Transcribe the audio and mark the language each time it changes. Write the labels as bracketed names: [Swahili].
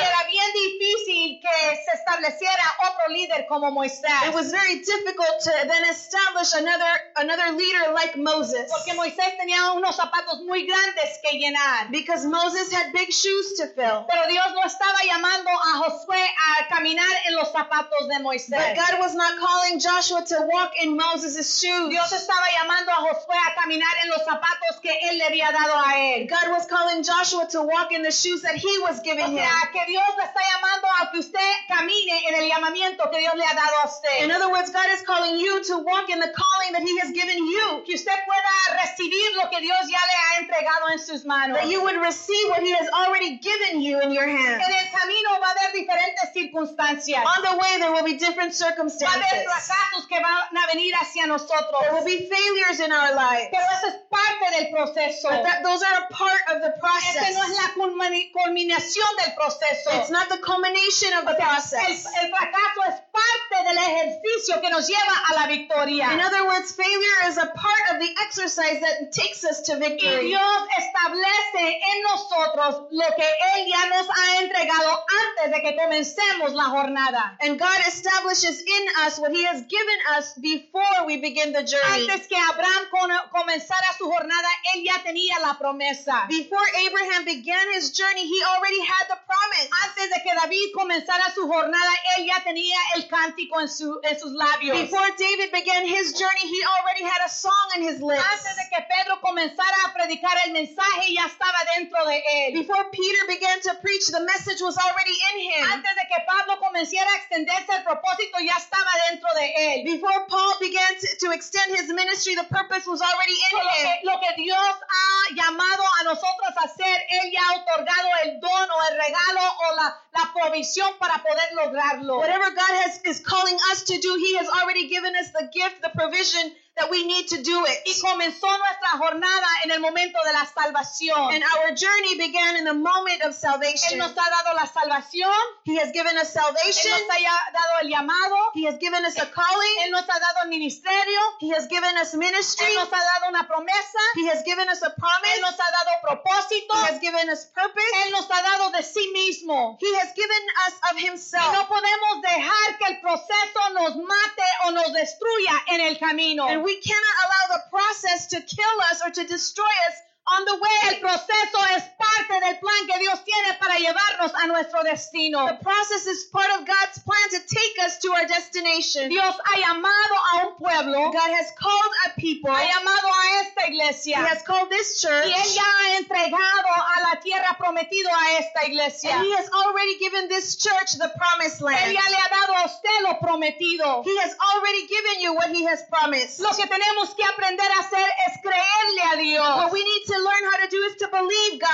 [Spanish] Y era bien difícil que se estableciera otro líder como Moisés. [English] It was very difficult to then establish another leader like Moses. [Spanish] Porque Moisés tenía unos zapatos muy grandes que llenar. [English] Because Moses had big shoes to fill. [Spanish] Pero Dios no estaba llamando a Josué a caminar en los zapatos de Moisés. [English] But God was not calling Joshua to walk in Moses' shoes. [Spanish] Dios estaba llamando a Josué a caminar en los zapatos que él le había dado a él. [English] God was calling Joshua to walk in the shoes that he was giving him. [Spanish] O sea, que Dios está llamando a que usted camine en el llamamiento que Dios le ha dado a usted. [English] In other words, God is calling you to walk in the calling that he has given you. [Spanish] Que usted pueda recibir lo que Dios ya le ha entregado en sus manos. [English] That you would receive what he has already given you in your hands. [Spanish] En el camino va a haber diferentes circunstancias. [English] On the way there will be different circumstances. [Spanish] Va a haber fracasos que van a venir hacia nosotros. [English] There will be failures in our lives. [Spanish] Pero eso es parte del proceso. [English] But that, those are a part of the process. [Spanish] Este no es la culminación del proceso. [English] It's not the culmination of the process. [Spanish] El fracaso es parte del ejercicio que nos lleva a la victoria. [English] In other words, failure is a part of the exercise that takes us to victory. [Spanish] Y Dios establece en nosotros lo que Él ya nos ha entregado antes de que comencemos la jornada. [English] And God establishes in us what He has given us before we begin the journey. [Spanish] Antes que Abraham comenzara su jornada, Él ya tenía la promesa. [English] Before Abraham began his journey, he already had the promise. [Spanish] Antes de que David comenzara su jornada, Él ya tenía el cántico en sus labios. [English] Before David began his journey, he already had a song in his lips. [Spanish] Antes de que Pedro comenzara a predicar el mensaje, ya estaba dentro de él. [English] Before Peter began to preach, the message was already in him. [Spanish] Antes de que Pablo comenzara a extenderse el propósito, ya estaba dentro de él. [English] Before Paul began to extend his ministry, the purpose was already in him. [Spanish] Lo que Dios ha llamado a nosotros a hacer, Él ya ha otorgado el don o el regalo o la provisión para poder lograrlo. [English] Whatever God is calling us to do, He has already given us the gift, the provision that we need to do it. [Spanish] Y comenzó nuestra jornada en el momento de la salvación. [English] And our journey began in the moment of salvation. [Spanish] Él nos ha dado la salvación. [English] He has given us salvation. [Spanish] Él nos ha dado el llamado. [English] He has given us a calling. [Spanish] Él nos ha dado el ministerio. [English] He has given us ministry. [Spanish] Él nos ha dado una promesa. [English] He has given us a promise. [Spanish] Él nos ha dado propósito. [English] He has given us purpose. [Spanish] Él nos ha dado de sí mismo. [English] He has given us of himself. [Spanish] Y no podemos dejar que el proceso nos mate o nos destruya en el camino. [English] And we cannot allow the process to kill us or to destroy us on the way. [Spanish] El proceso es parte del plan que Dios tiene para llevarnos a nuestro destino. [English] The process is part of God's plan to take us to our destination. [Spanish] Dios ha llamado a un pueblo. [English] God has called a people. [Spanish] Ha llamado a esta iglesia. [English] He has called this church. [Spanish] Y Él ya ha entregado a la tierra prometido a esta iglesia. [English] And He has already given this church the promised land. [Spanish] Él ya le ha dado a usted lo prometido. [English] He has already given you what He has promised. [Spanish] Lo que tenemos que aprender a hacer es creerle a Dios. [English] What we need to learn how to do is to believe God.